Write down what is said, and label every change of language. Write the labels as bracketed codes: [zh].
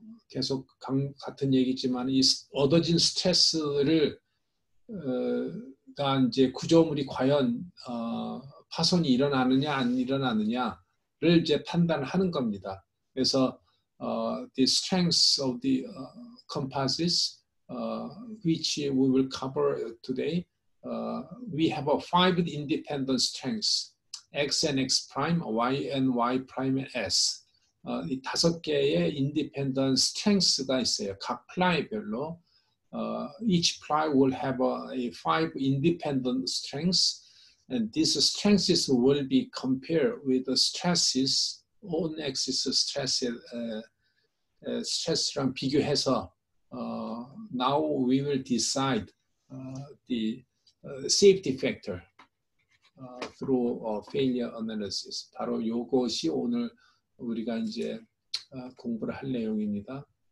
[ko] 계속 같은 얘기지만 이 얻어진 스트레스를 그러니까 이제 구조물이 과연 파손이 일어나느냐 안 일어나느냐를 이제 판단하는 겁니다. 그래서 [en] the strengths of the composites which we will cover today, we have a five independent strengths. X and X prime, Y and Y prime, and S. [ko] 이 다섯 개의 independent strengths가 있어요. 각 플라이별로. [en] Each ply will have five independent strengths, and these strengths will be compared with the stresses, on axis stress랑 [ko] 비교해서, [en] now we will decide the safety factor. Through failure analysis. [ko] 바로 이것이 오늘 우리가 이제 공부를 할 내용입니다.